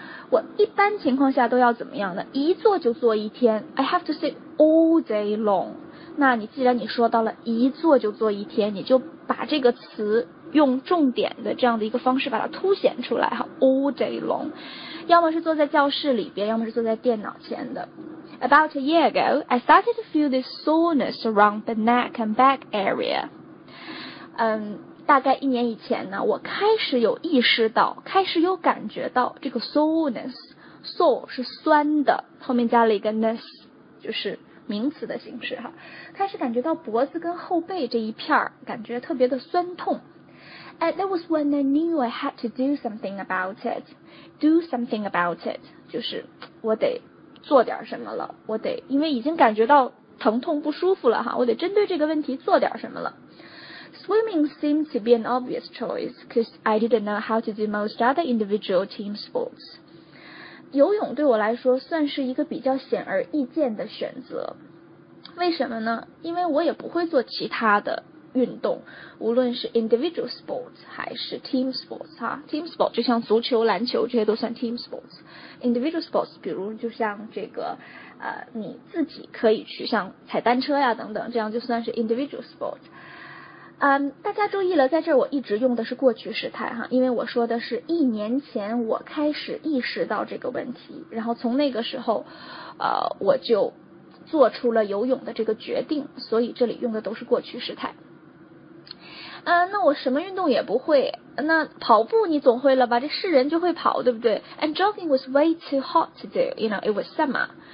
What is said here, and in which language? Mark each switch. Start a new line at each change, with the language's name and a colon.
Chinese: 我一般情况下都要怎么样呢？一坐就坐一天。
English: I have to sit all day long.
Chinese: 那你既然你说到了一坐就坐一天，你就把这个词用重点的这样的一个方式把它凸显出来哈。
English: All day long，
Chinese: 要么是坐在教室里边，要么是坐在电脑前的。
English: About a year ago, I started to feel this soreness around the neck and back area.
Chinese: 大概一年以前呢，我开始有意识到，开始有感觉到这个 soreness， sore 是酸的，后面加了一个 ness， 就是名词的形式哈，开始感觉到脖子跟后背这一片感觉特别的酸痛。
English: And that was when I knew I had to do something about it. Do something about it，
Chinese: 就是我得做点什么了，我得，因为已经感觉到疼痛不舒服了哈，我得针对这个问题做点什么了。
English: Swimming seemed to be an obvious choice because I didn't know how to do most other individual team sports.
Chinese: 游泳对我来说算是一个比较显而易见的选择。为什么呢？因为我也不会做其他的运动，无论是 individual sports 还是 team sports 哈。 Team sports 就像足球、篮球，这些都算 team sports。Individual sports 比如就像这个你自己可以去像踩单车呀等等，这样就算是 individual sports。大家注意了，在这儿我一直用的是过去时态哈，因为我说的是一年前我开始意识到这个问题，然后从那个时候我就做出了游泳的这个决定，所以这里用的都是过去时态。那我什么运动也不会，那跑步你总会了吧，这是人就会跑对不对。
English: And jogging was way too hot to do, you know, it was summer.